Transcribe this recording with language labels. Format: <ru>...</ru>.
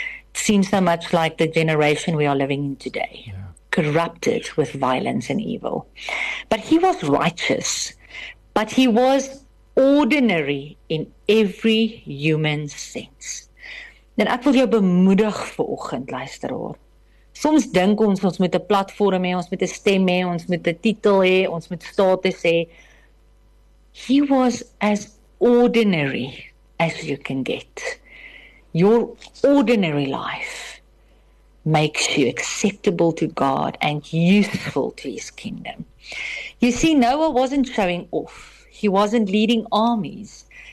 <en>It seems so much like the generation we are living in today, yeah. Corrupted with violence and evil. But he was righteous, but he was ordinary in every human sense.</en> <af>Dan ek wil jou bemoedig vanoggend, luister hoor. Soms dink ons moet 'n platform hê, ons moet 'n stem hê, ons moet 'n titel hê, ons moet status hê.</af> <en>He was as ordinary as you can get. Your ordinary life makes you acceptable to God and useful to his kingdom. You see, Noah wasn't showing off. He wasn't leading armies.</en>